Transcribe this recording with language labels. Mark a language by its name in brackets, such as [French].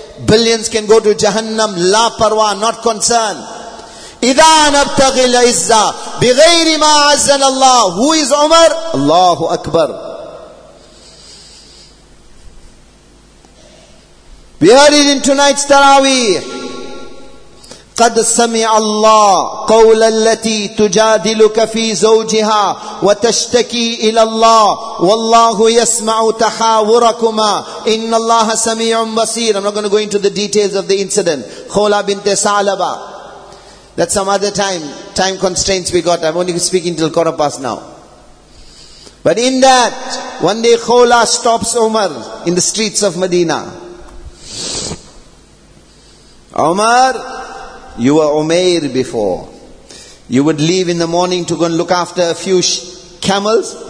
[English] Billions can go to Jahannam, la parwa, not concerned. [Arabic] إِذَا نَبْتَغِ الْعِزَّةِ بِغَيْرِ مَا عَزَّنَ اللَّهُ. [English] Who is Umar? [Arabic] Allahu Akbar. [English] We heard it in tonight's Taraweeh. [Arabic] قَدْ سَمِعَ اللَّهُ قَوْلَ الَّتِي تُجَادِلُكَ فِي زَوْجِهَا وَتَشْتَكِي إِلَى اللَّهُ وَاللَّهُ يَسْمَعُ تَحَاوُرَكُمَا إِنَّ اللَّهَ سَمِيعٌ بَصِيرٌ. [English] I'm not going to go into the details of the incident. Khawla bint Salaba. That's some other time constraints we got. I'm only speaking till 4:15 now. But in that, one day Khawla stops Umar in the streets of Medina. Umar, you were Umair before. You would leave in the morning to go and look after a few camels.